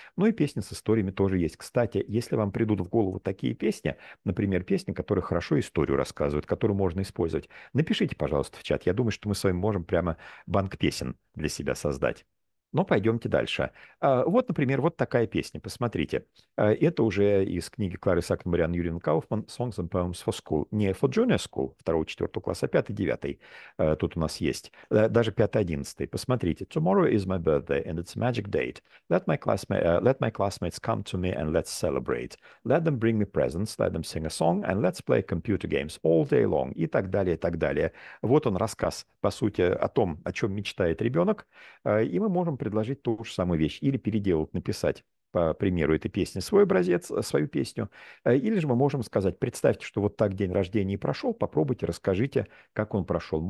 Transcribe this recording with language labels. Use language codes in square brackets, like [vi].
[ru] Ну и песни с историями тоже есть. Кстати, если вам придут в голову такие песни, например, песни, которые хорошо историю рассказывают, которую можно использовать, напишите, пожалуйста, в чат. Я думаю, что мы с вами можем прямо банк песен для себя создать. Но пойдемте дальше. Вот, например, вот такая песня, посмотрите. Это уже из книги Клары Сакнбриан Юрин Кауфман «Songs and Poems for School». Не [en] for junior school, [ru] 2-го, 4-го класса, 5-й, 9-й. Тут у нас есть. Даже 5-й, 11-й. Посмотрите. [en] «Tomorrow is my birthday, and it's a magic date. Let my classmates come to me, and let's celebrate. Let them bring me presents, let them sing a song, and let's play computer games all day long». [ru] И так далее, и так далее. Вот он рассказ, по сути, о том, о чем мечтает ребенок. И мы можем предложить ту же самую вещь или переделать, написать по примеру этой песни свой образец, свою песню, или же мы можем сказать, представьте, что вот так день рождения прошел, попробуйте, расскажите, как он прошел.